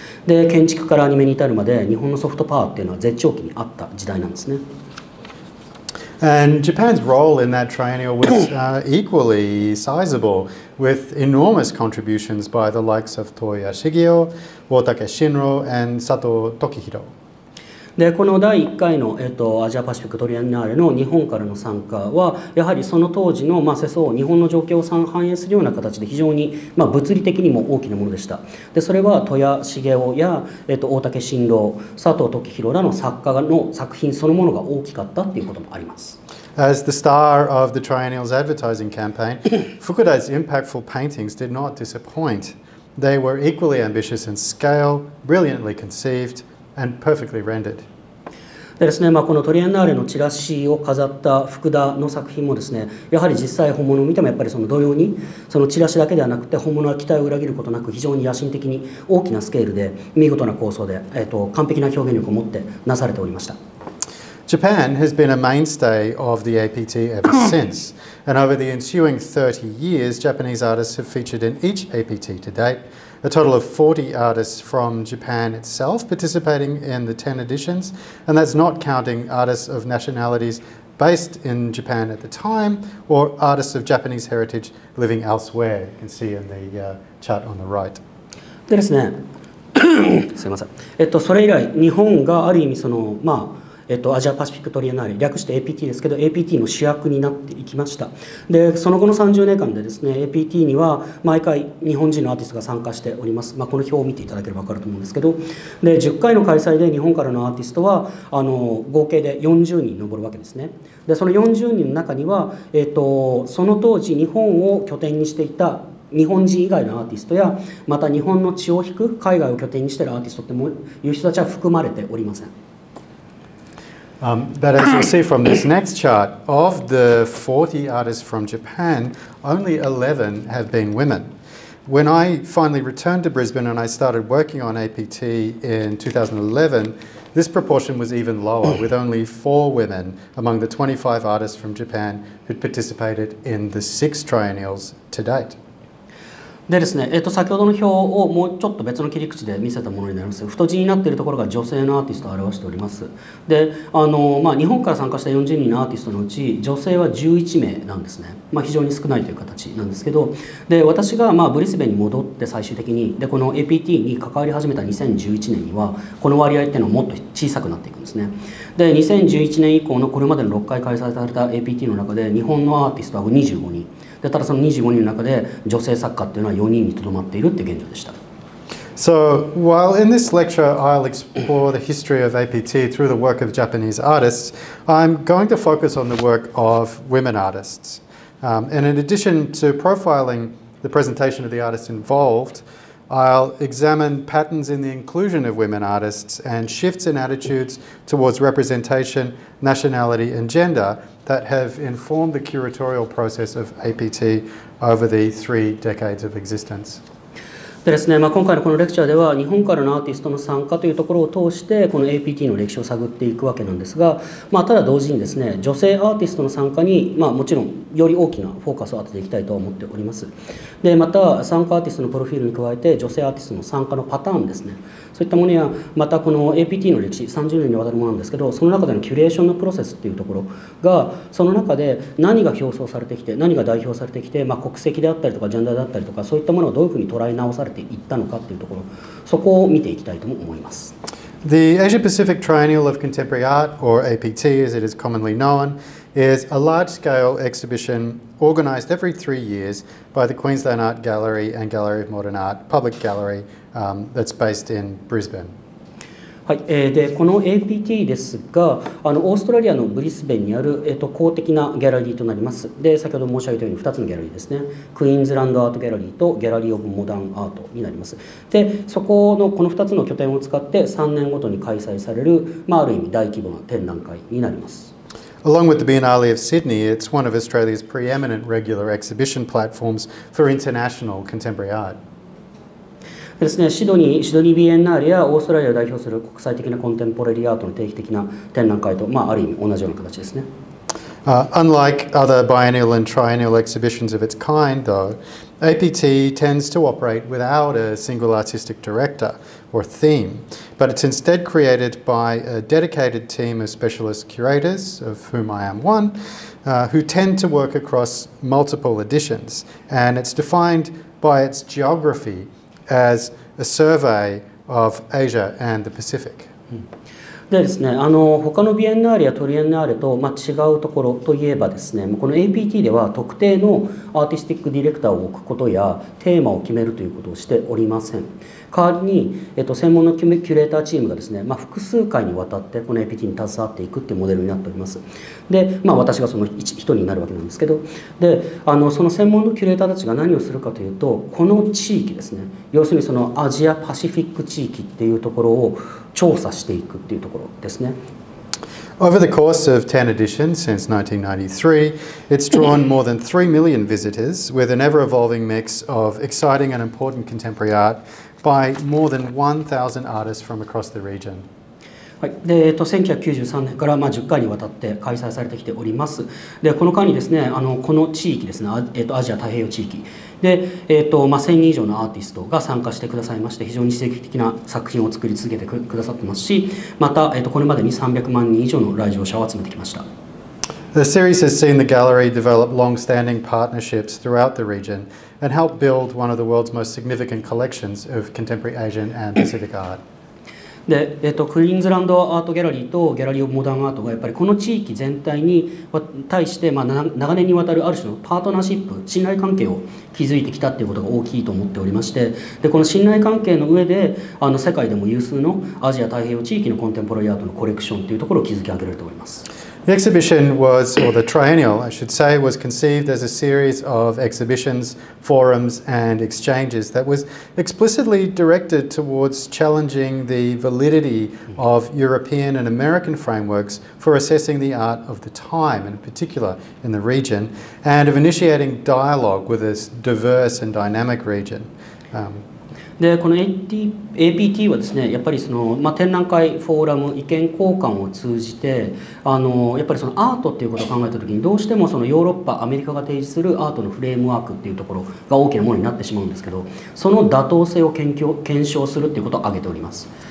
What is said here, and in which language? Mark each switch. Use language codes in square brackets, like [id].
[ja] で建築からアニメに至るまで日本のソフトパワーというのは絶頂期にあった時代なんですね。 [en] And Japan's role in that triennial was equally sizable, with enormous contributions by the likes of Toya Shigeo, Wotake Shinro, and Sato Tokihiro. [ja] で、この第1回の、アジアパシフィックトリエンナーレの日本からの参加は、やはりその当時の、まあ、世相、日本の状況を反映するような形で非常に、まあ、物理的にも大きなものでした。で、それは戸谷重雄や、大竹新郎、佐藤時博らの作家の作品そのものが大きかったということもあります。 [en] As the star of the Triennial's advertising campaign, Fukuda's impactful paintings did not disappoint. They were equally ambitious in scale, brilliantly conceived,And perfectly rendered. [ja] でですね、まあ、このトリエンナーレのチラシを飾った福田の作品もですね、やはり実際本物を見てもやっぱりその同様にそのチラシだけではなくて本物は期待を裏切ることなく非常に野心的に大きなスケールで見事な構想で、完璧な表現力を持ってなされておりました。 [en] Japan has been a mainstay of the APT ever since, and over the ensuing 30 years, Japanese artists have featured in each APT to date, a total of 40 artists from Japan itself participating in the 10 editions, and that's not counting artists of nationalities based in Japan at the time, or artists of Japanese heritage living elsewhere, you can see in the chart on the right. [ja] ですね。すみません。それ以来、日本がある意味その、まあ、アジアパシフィックトリエンナーレ、略して APT ですけど、APT の主役になっていきました。で、その後の30年間でですね、APT には毎回日本人のアーティストが参加しております。まあ、この表を見ていただければ分かると思うんですけど、で、10回の開催で日本からのアーティストは合計で40人に上るわけですね。で、その40人の中には、その当時日本を拠点にしていた日本人以外のアーティストや、また日本の血を引く海外を拠点にしているアーティストっていう人たちは含まれておりません。 [en] But as you'll see from this next chart, of the 40 artists from Japan, only 11 have been women. When I finally returned to Brisbane and I started working on APT in 2011, this proportion was even lower, with only 4 women among the 25 artists from Japan who'd participated in the 6 triennials to date. [ja] でですね、先ほどの表をもうちょっと別の切り口で見せたものになります。太字になっているところが女性のアーティストを表しております。で、まあ、日本から参加した40人のアーティストのうち女性は11名なんですね、まあ、非常に少ないという形なんですけど、で私がまあブリスベンに戻って最終的にでこの APT に関わり始めた2011年にはこの割合っていうのはもっと小さくなっていくんですね。で2011年以降のこれまでの6回開催された APT の中で日本のアーティストは25人で、ただその25人の中で女性作家っていうのは4人にとどまっているっていう現状でした。 [en] So while in this lecture I'll explore the history of APT through the work of Japanese artists, I'm going to focus on the work of women artists. And in addition to profiling the presentation of the artists involved, I'll examine patterns in the inclusion of women artists and shifts in attitudes towards representation, nationality and gender that have informed the curatorial process of APT over the 3 decades of existence. [ja] でですね、まあ、今回のこのレクチャーでは日本からのアーティストの参加というところを通してこの APT の歴史を探っていくわけなんですが、まあ、ただ同時にですね、女性アーティストの参加に、まあ、もちろんより大きなフォーカスを当てていきたいと思っております。でまた参加アーティストのプロフィールに加えて女性アーティストの参加のパターンですね、そういったものやまたこの APT の歴史30年にわたるものなんですけど、その中でのキュレーションのプロセスっていうところが、その中で何が表彰されてきて何が代表されてきて、まあ、国籍であったりとかジェンダーであったりとかそういったものをどういうふうに捉え直されていったのかっていうところ、そこを見ていきたいと思います。 [en] The Asia Pacific Triennial of Contemporary Art, or APT as it is commonly known, is a large-scale exhibition organized every 3 years by the Queensland Art Gallery and Gallery of Modern Art, public gallery, that's based in Brisbane. [ja] はい、でこの APT ですが、オーストラリアのブリスベンにある、公的なギャラリーとなります。で先ほど申し上げたように2つのギャラリーですね、クイーンズランドアートギャラリーとギャラリーオブモダンアートになります。でそこのこの2つの拠点を使って3年ごとに開催される、まあ、ある意味大規模な展覧会になります。 [en] Along with the Biennale of Sydney, it's one of Australia's preeminent regular exhibition platforms for international contemporary art. [ja] ですね、シドニー・ビエンナーレやオーストラリアを代表する国際的なコンテンポラリーアートの定期的な展覧会と、まあ、ある意味同じような形ですね。 [en] Unlike other biennial and triennial exhibitions of its kind, though, APT tends to operate without a single artistic director or theme, but it's instead created by a dedicated team of specialist curators, of whom I am one, who tend to work across multiple editions, and it's defined by its geography. As a survey of Asia and the Pacific. [ja] でですね、他のビエンナーレやトリエンナーレと、まあ、違うところといえばですね、この APT では特定のアーティスティックディレクターを置くことやテーマを決めるということをしておりません。代わりに、専門のキュレーターチームがですね、まあ、複数回にわたってこの APT に携わっていくというモデルになっております。で、まあ、私がその人になるわけなんですけど、で、その専門のキュレーターたちが何をするかというと、この地域ですね、要するにそのアジアパシフィック地域っていうところを調査していくっていうところですね。 [en] Over the course of 10 editions since 1993, it's drawn more than 3 million visitors with an ever-evolving mix of exciting and important contemporary art by more than 1,000 artists from across the region. [ja] はい、で1993年から、まあ、10回にわたって開催されてきております。でこの間にですね、この地域ですね、アジア太平洋地域で、まあ、1000人以上のアーティストが参加してくださいまして、非常に刺激的な作品を作り続けて くださってますし、また、これまでに300万人以上の来場者を集めてきました。 [en] The series has seen the gallery develop long-standing partnerships throughout the region and help build one of the world's most significant collections of contemporary Asian and Pacific art. [ja] で、クイーンズランドアートギャラリーとギャラリーオブモダンアートがやっぱりこの地域全体に対して、まあ、長年にわたるある種のパートナーシップ、信頼関係を築いてきたっていうことが大きいと思っておりまして、でこの信頼関係の上で世界でも有数のアジア太平洋地域のコンテンポラリーアートのコレクションっていうところを築き上げられております。 [en] The exhibition was, or the triennial, I should say, was conceived as a series of exhibitions, forums and exchanges that was explicitly directed towards challenging the validity of European and American frameworks for assessing the art of the time, in particular in the region, and of initiating dialogue with this diverse and dynamic region. [ja] でこの APT はですねやっぱりその、まあ、展覧会フォーラム意見交換を通じてやっぱりそのアートっていうことを考えた時にどうしてもそのヨーロッパアメリカが提示するアートのフレームワークっていうところが大きなものになってしまうんですけどその妥当性を検証するっていうことを挙げております。